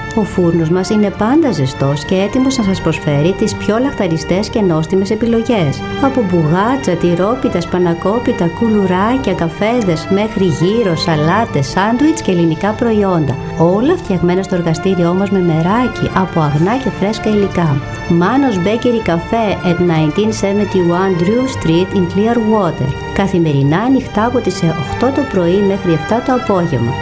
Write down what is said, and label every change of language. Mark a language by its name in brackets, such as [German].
[Greek] Ο φούρνος μας είναι πάντα ζεστός και έτοιμος να σας προσφέρει τις πιο λαχταριστές και νόστιμες επιλογές. Από μπουγάτσα, τυρόπιτα, σπανακόπιτα, κουλουράκια, καφέδες μέχρι γύρω, σαλάτες, σάντουιτς και ελληνικά προϊόντα. Όλα φτιαγμένα στο εργαστήριό μας με μεράκι από αγνά και φρέσκα υλικά. [English] Manos Bakery Cafe at 1971 Drew Street in Clearwater. [Greek] Καθημερινά ανοιχτά από τις 8 το πρωί μέχρι 7 το απόγευμα.